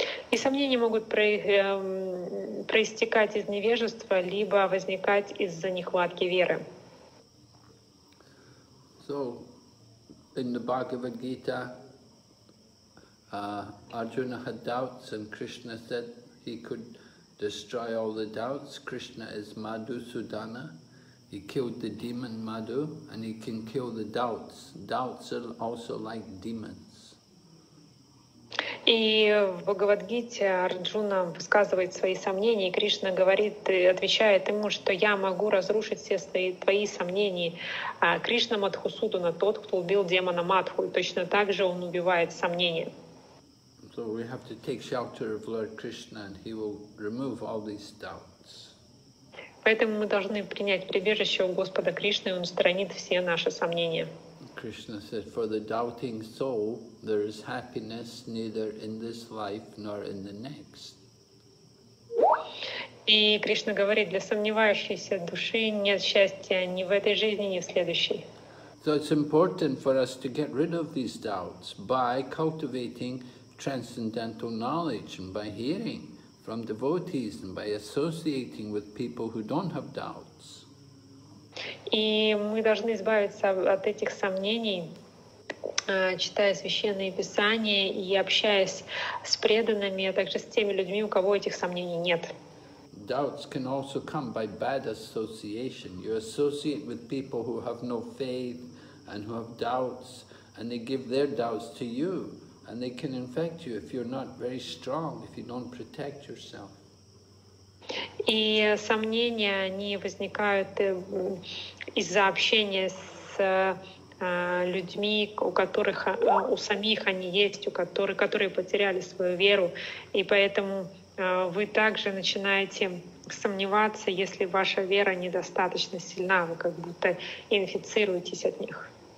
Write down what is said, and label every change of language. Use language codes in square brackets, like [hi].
[ru] И сомнения могут проистекать из невежества, либо возникать из-за нехватки веры. [en] So, in the Bhagavad Gita, Arjuna had doubts and Krishna said he could destroy all the doubts. Krishna is Madhusudana. He killed the demon Madhu and he can kill the doubts. Doubts are also like demons. [ru] И в Бхагавадгите Арджуна высказывает свои сомнения, и Кришна говорит, отвечает ему, что я могу разрушить все твои сомнения. Кришна Мадхусудана, тот, кто убил демона Мадху, и точно так же он убивает сомнения. [en] So we have to take shelter of Lord Krishna and he will remove all these doubts. [ru] Поэтому мы должны принять прибежище у Господа Кришны, и он устранит все наши сомнения. [en] Krishna said, for the doubting soul, there is happiness neither in this life nor in the next. [ru] И Кришна говорит, для сомневающейся души нет счастья ни в этой жизни, ни в следующей. [en] So it's important for us to get rid of these doubts by cultivating transcendental knowledge and by hearing from devotees and by associating with people who don't have doubts. [ru] И мы должны избавиться от этих сомнений, читая священные писания и общаясь с преданными, а также с теми людьми, у кого этих сомнений нет. [en] doubts can also come by bad association. You associate with people who have no faith and who have doubts, and they give their doubts to you, and they can infect you if you're not very strong, if you don't protect yourself. [ru] И сомнения, они возникают из-за общения с людьми, у которых, у самих они есть, которые потеряли свою веру, и поэтому вы также начинаете сомневаться, если ваша вера недостаточно сильна, вы как будто инфицируетесь от них.